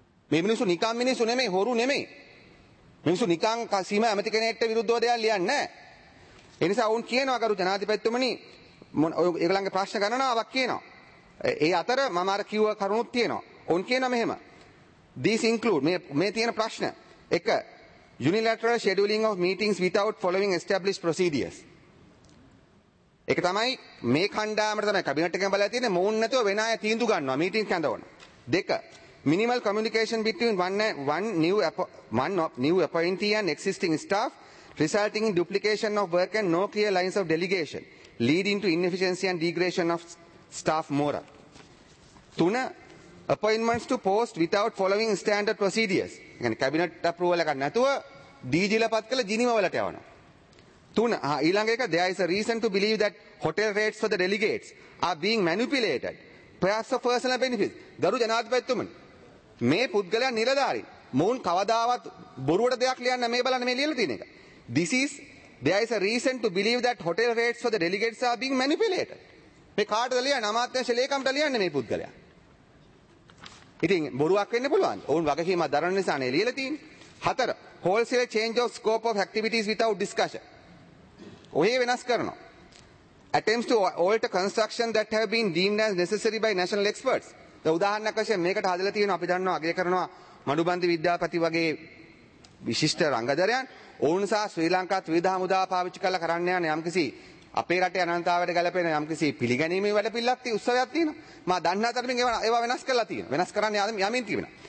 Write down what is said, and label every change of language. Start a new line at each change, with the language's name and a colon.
Sinhala: මේ මිනිස්සු නිකම් මිනිස්සු නෙමෙයි හොරු නෙමෙයි. මිනිස්සු නිකං කසීම ඇමති කෙනෙක්ට විරුද්ධව දෙයක් ලියන්නේ නැහැ. ඒ නිසා වුන් කියනවා කරු ජනාධිපතිතුමනි ඔය ඒගොල්ලන්ගේ ප්‍රශ්න ගණනාවක් කියනවා. ඒ අතර මම අර කිව්ව කරුණුත් තියෙනවා. වුන් කියනවා මෙහෙම.
English: This include
Sinhala: මේ තියෙන ප්‍රශ්න. 1.
English: Unilateral scheduling of meetings without following established procedures.
Sinhala: ඒක තමයි මේ කණ්ඩායමට තමයි කැබිනට් එකෙන් බලලා තියෙන්නේ මොවුන් නැතුව වෙන අය තීන්දුව ගන්නවා meeting කැඳවන. 2.
English: Minimal communication between one new appointee and existing staff, resulting in duplication of work and no clear lines of delegation, leading to inefficiency and degradation of staff morale. 3. Appointments to post without following standard procedures.
Arabic: يعني
Sinhala: cabinet approval එකක් නැතුව DG ලා පත් කළ ජිනීම වලට යවනවා. 3. ඊළඟ එක
English: there is a reason to believe that hotel rates for the delegates are being manipulated perhaps for personal benefits.
Sinhala: ගරු ජනාධිපතිතුමනි මේ පුද්ගලයා නිලධාරි මොවුන් කවදාවත් බොරුවට දෙයක් ලියන්න මේ බලන්න මේ ලියලා තියෙන එක.
English: This is there is a reason to believe that hotel rates for the delegates are being manipulated.
Sinhala: මේ කාටද ලියන්නේ? අමාත්‍යංශ ලේකම්ට ලියන්නේ මේ පුද්ගලයා. ඉතින් බොරුවක් වෙන්න පුළුවන්. ඔවුන් වගකීම දරන නිසා නේ ලියලා තියෙන්නේ. 4.
English: Wholesale change of scope of activities without discussion.
Sinhala: ඔය වෙනස් කරනවා.
English: Attempts to alter construction that have been deemed as necessary by national experts.
Sinhala: උදාහරණයක් වශයෙන් මේකට හදලා තියෙනවා අපි දන්නවා අගය කරනවා මඩුබන්දි විද්‍යාපති වගේ විශිෂ්ට රංගදරයන් ඔවුන් සහ ශ්‍රී ලංකා ත්‍රිවිධ හමුදා පාවිච්චි කරලා කරන්න යන යම්කිසි අපේ රටේ අනන්තතාවයට ගැලපෙන යම්කිසි පිළිගැනීමේ වැඩපිළිවෙළක් තිය උත්සවයක් තියෙනවා. මම දන්නා තරමින් ඒවා වෙනස් කරලා තියෙනවා. වෙනස් කරන්න යමින් තිබෙනවා.